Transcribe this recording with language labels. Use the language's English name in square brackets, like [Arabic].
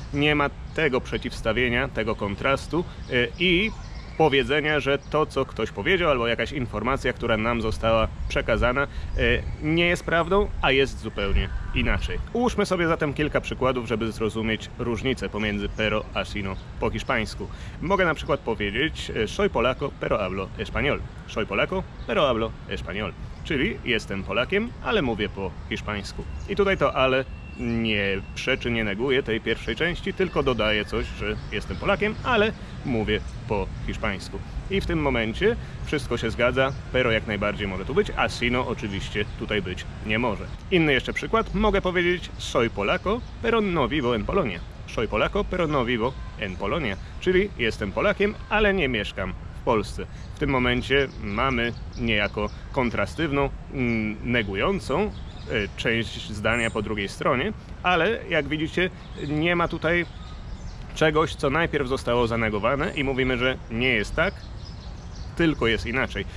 [Polish] Nie ma tego przeciwstawienia, tego kontrastu i powiedzenia, że to, co ktoś powiedział, albo jakaś informacja, która nam została przekazana, nie jest prawdą, a jest zupełnie inaczej. Ułóżmy sobie zatem kilka przykładów, żeby zrozumieć różnicę pomiędzy pero a sino po hiszpańsku. Mogę na przykład powiedzieć [Spanish] soy polaco, pero hablo español. Soy polaco, pero hablo español. [Polish] Czyli jestem Polakiem, ale mówię po hiszpańsku. I tutaj to ale nie przeczy, nie neguje tej pierwszej części, tylko dodaje coś, że jestem Polakiem, ale mówię po hiszpańsku. I w tym momencie wszystko się zgadza, pero jak najbardziej może tu być, a sino oczywiście tutaj być nie może. Inny jeszcze przykład, mogę powiedzieć [Spanish] soy polaco, pero no vivo en Polonia. Soy polaco, pero no vivo en Polonia. [Polish] Czyli jestem Polakiem, ale nie mieszkam w Polsce. W tym momencie mamy niejako kontrastywną, negującą część zdania po drugiej stronie, ale jak widzicie, nie ma tutaj czegoś, co najpierw zostało zanegowane i mówimy, że nie jest tak, tylko jest inaczej.